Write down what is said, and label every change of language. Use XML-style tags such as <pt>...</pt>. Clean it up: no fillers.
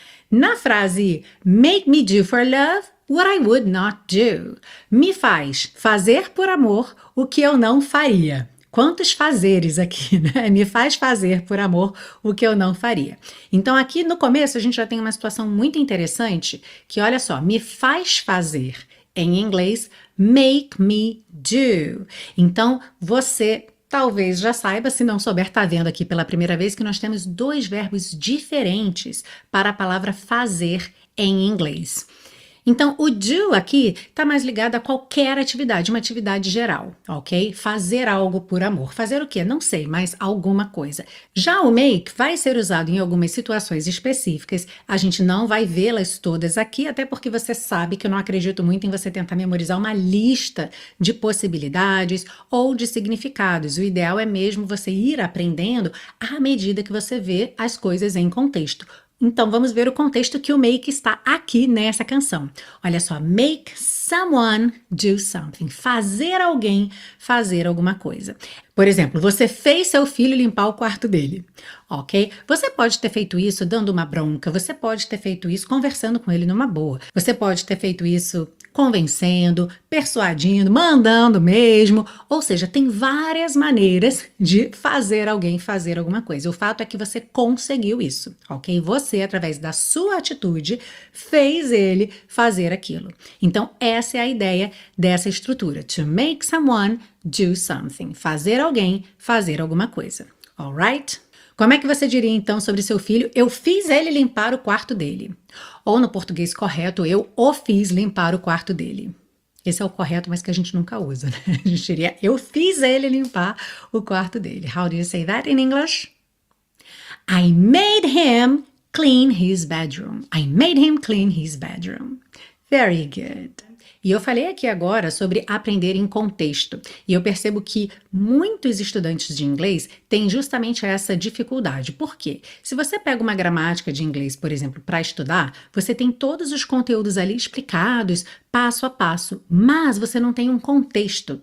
<pt>Na frase</pt> <en>make me do for love, what I would not do.</en> <pt>Me faz fazer por amor o que eu não faria. Quantos fazeres aqui, né? Me faz fazer por amor o que eu não faria. Então, aqui no começo, a gente já tem uma situação muito interessante, que olha só, me faz fazer, em inglês,</pt> <en>make me do.</en> <pt>Então, você talvez já saiba, se não souber, tá vendo aqui pela primeira vez que nós temos dois verbos diferentes para a palavra fazer em inglês. Então, o do aqui está mais ligado a qualquer atividade, uma atividade geral, ok? Fazer algo por amor. Fazer o quê? Não sei, mas alguma coisa. Já o make vai ser usado em algumas situações específicas. A gente não vai vê-las todas aqui, até porque você sabe que eu não acredito muito em você tentar memorizar uma lista de possibilidades ou de significados. O ideal é mesmo você ir aprendendo à medida que você vê as coisas em contexto. Então, vamos ver o contexto que o make está aqui nessa canção. Olha só,</pt> <en>make someone do something.</en> <pt>Fazer alguém fazer alguma coisa. Por exemplo, você fez seu filho limpar o quarto dele, ok? Você pode ter feito isso dando uma bronca, você pode ter feito isso conversando com ele numa boa, você pode ter feito isso convencendo, persuadindo, mandando mesmo. Ou seja, tem várias maneiras de fazer alguém fazer alguma coisa. O fato é que você conseguiu isso, ok? Você, através da sua atitude, fez ele fazer aquilo. Então, essa é a ideia dessa estrutura:</pt> <en>to make someone do something.</en> <pt>Fazer alguém fazer alguma coisa.</pt> <en>All right?</en> <pt>Como é que você diria então sobre seu filho? Eu fiz ele limpar o quarto dele. Ou no português correto, eu o fiz limpar o quarto dele. Esse é o correto, mas que a gente nunca usa, né? A gente diria, eu fiz ele limpar o quarto dele.</pt> <en>How do you say that in English? I made him clean his bedroom. I made him clean his bedroom. Very good.</en> <pt>E eu falei aqui agora sobre aprender em contexto. E eu percebo que muitos estudantes de inglês têm justamente essa dificuldade. Por quê? Se você pega uma gramática de inglês, por exemplo, para estudar, você tem todos os conteúdos ali explicados, passo a passo, mas você não tem um contexto.</pt>